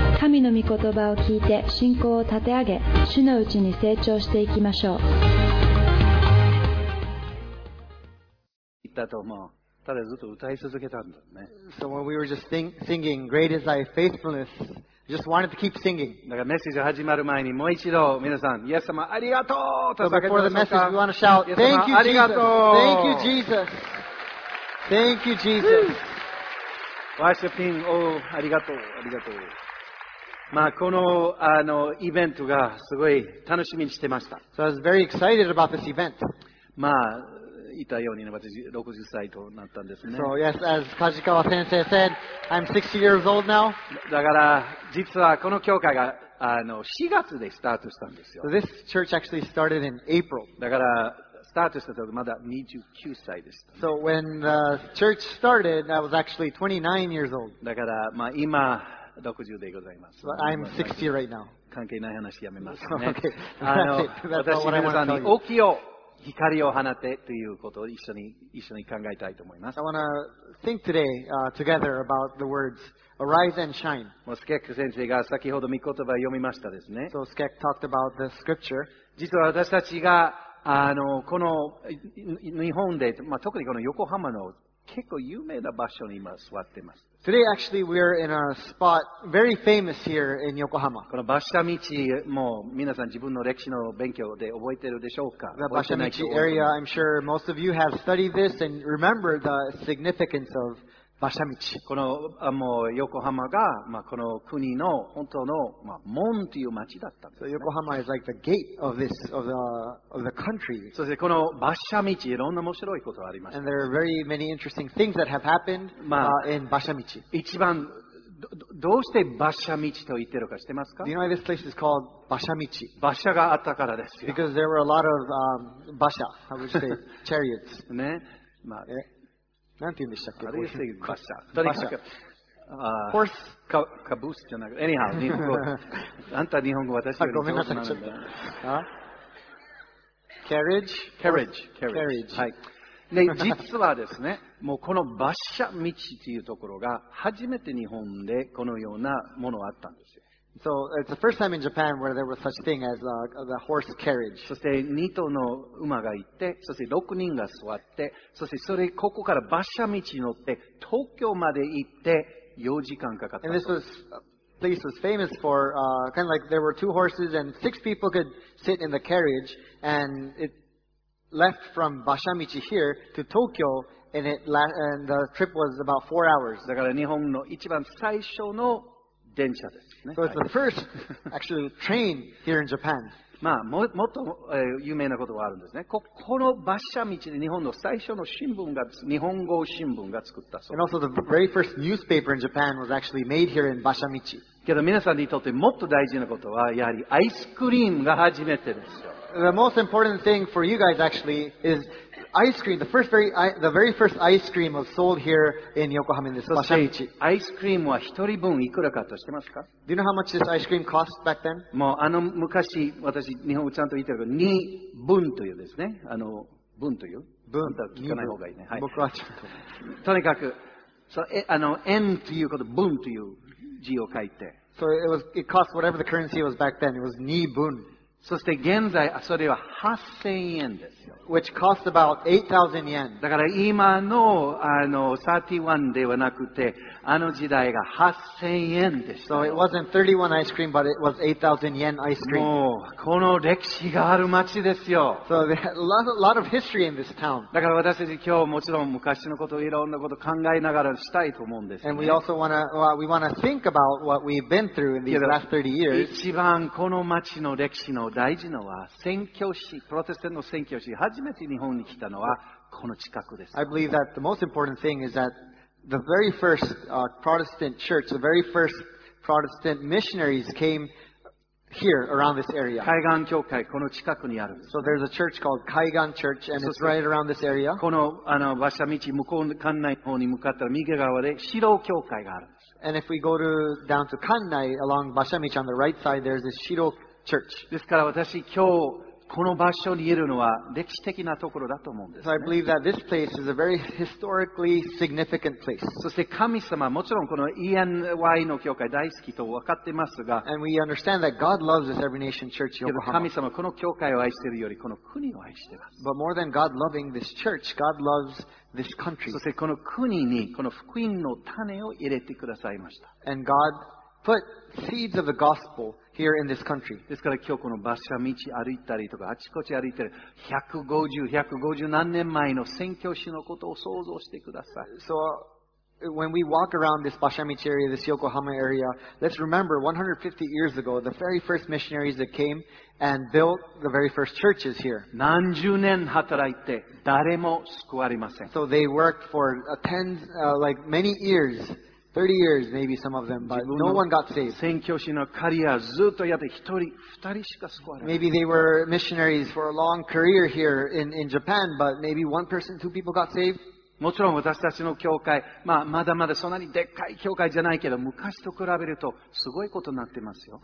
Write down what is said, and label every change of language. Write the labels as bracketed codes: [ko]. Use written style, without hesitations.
[ja] 神の御言葉を聞いて信仰を立て上げ、主のうちに成長していきましょう。言ったと思う。ただずっと歌い続けたんだね。 [en] So when we were just singing, Great is thy faithfulness, just wanted to keep singing. [ja] だからメッセージ始まる前にもう一度皆さん、イエス様ありがとうと叫んで。 [en] So before the message, we want to shout, Thank you, Jesus. Thank you, Jesus. Thank you, Jesus. Worshiping, oh, [ja] ありがとう、ありがとう。まあ、この、イベントがすごい楽しみにしてました。 [en] So I was very excited about this event. [ja] まあ、言ったようにね、私60歳となったんですね。 [en] So yes, as Kajikawa sensei said, I'm 60 years old now. [ja] だから、実はこの教会が、4月でスタートしたんですよ。 [en] So this church actually started in April. [ja] だから、スタートした時まだ29歳でした、 [en] ね。So when the church started, I was actually 29 years old. [ja] だから、まあ、今60でございます。 [en] But I'm 60 right now. [ja] 関係ない話やめます [en] ね。Okay. That's it. That's [ja] 私皆さんに大きい光を放てということを一緒に考えたいと思います。 [en] I want to think today, together about the words arise and shine. [ja] もうスケック先生が先ほど御言葉を読みましたですね。 [en] So Skek talked about the scripture. [ja] 実は私たちがこの日本で、まあ、特にこの横浜の結構有名な場所に今座っています。 [en] Today actually we are in a spot very famous here in Yokohama. [ja] この馬車道も皆さん自分の歴史の勉強で覚えてるでしょうか。 [en] The 馬車道 area, I'm sure most of you have studied this and remember the significance of 馬車道。 [ja] このもう横浜が、まあ、この国の本当の、まあ、門という町だったんです、ね。 [en] So Yokohama is like the gate of this of the country. [ja] そしてこの馬車道いろんな面白いことがありました。 [en] And there are very many interesting things that have happened、まあ、in 馬車道。 [ja] 一番どうして馬車道と言ってるか知ってますか？ [en] Do you know why this place is called 馬車道？ [ja] 馬車があったからですよ。 [en] Because there were a lot of 馬車。I would say chariots. [ja] ね。まあ。なんて言うんでしたっけ？あれですよ、馬車。とにかく、 [en] horse [ja] カブスじゃなくて、 [en] anyhow、 [ja] 日本語。あんた日本語私より上手なんだ。ごめんなさい。 [en] carriage。 [ja] はい。ね、実はですね、もうこの馬車道というところが初めて日本でこのようなものがあったんですよ。 [en] So it's the first time in Japan where there was such a thing as the horse carriage. [ja] そして2頭の馬がいて、そして6人が座って、そしてそれここから馬車道に乗って東京まで行って4時間かかった。 [en] And this was place was famous for kind of like there were two horses and six people could sit in the carriage and it left from 馬車道 here to Tokyo and it and the trip was about 4 hours. [ja] だから日本の一番最初の電車ですね。 [en] So it's the first actually train here in Japan. [ja] まあ、もっと、有名なことがあるんですね。この馬車道で日本の最初の新聞が、日本語新聞が作ったそうです。 [en] And also the very first newspaper in Japan was actually made here in 馬車道。 [ja] けど皆さんにとってもっと大事なことは、やはりアイスクリームが初めてですよ。 [en] The most important thing for you guys actually is ice cream. The very first ice cream was sold here in Yokohama in this 馬車道。 [ja] アイスクリームは一人分いくらかと知ってますか？ [en] Do you know how much this ice cream cost back then? [ja] もうあの昔私日本語ちゃんと言ってるけど、2分というですね。分という。分。聞かない方がいいね。はい。僕はちょっと。とにかく、そう、M ということ、分という字を書いて。 [en] So it cost whatever the currency was back then. It was 2分。 [ja] そして現在それは8000円ですよ。 [en] Which costs about 8000 yen. [ja] だから今の31ではなくてあの時代が8000円でした。 [en] So it wasn't 31 ice cream, but it was 8000 yen ice cream. [ja] もうこの歴史がある街ですよ。 [en] So there's a lot of history in this town. [ja] だから私たち今日もちろん昔のこといろんなこと考えながらしたいと思うんですね。 [en] And we also want to think about what we've been through in these last 30 years. [ja] 一番この街の歴史の大事なのは宣教師プロテスタント宣教師初めて日本に来たのはこの近くです。 [en] I believe that the most important thing is that the very first Protestant church, the very first Protestant missionaries came here around this area. [ja] 海岸教会この近くにある。 [en] So there's a church called 海岸 Church and it's right around this area. [ja] この馬車道向こうの館内の方に向かったら右側で指導教会がある。 [en] And if we go down to 館内 along 馬車道 on the right side, there's a 指導 [ja] ですから私今日この場所に言えるのは歴史的なところだと思うんですね。 [en] So I believe that this place is a very historically significant place. [ja] そして神様、もちろんこの ENY の教会大好きと分かってますが、 [en] And we understand that God loves this Every Nation Church Yokohama. [ja] 神様、この教会を愛しているよりこの国を愛しています。 [en] But more than God loving this church, God loves this country. [ja] そしてこの国にこの福音の種を入れてくださいました。 [en] And God put seeds of the gospel. Here in this country. [ja] ですから今日この馬車道歩いたりとかあちこち歩いてる150何年前の宣教師のことを想像してください。 [en] So, when we walk around this 馬車道 area, this Yokohama area, let's remember 150 years ago, the very first missionaries that came and built the very first churches here. [ja] 何十年働いて誰も救われません。 [en] So they worked for many years. 30 years, maybe some of them, but no one got saved. [ja] 宣教師のカリアずっとやって一人二人しか救われない。 [en] Maybe they were missionaries for a long career here in Japan, but maybe one person, two people got saved. [ja] もちろん私たちの教会、まあまだまだそんなにでっかい教会じゃないけど、昔と比べるとすごいことになってますよ。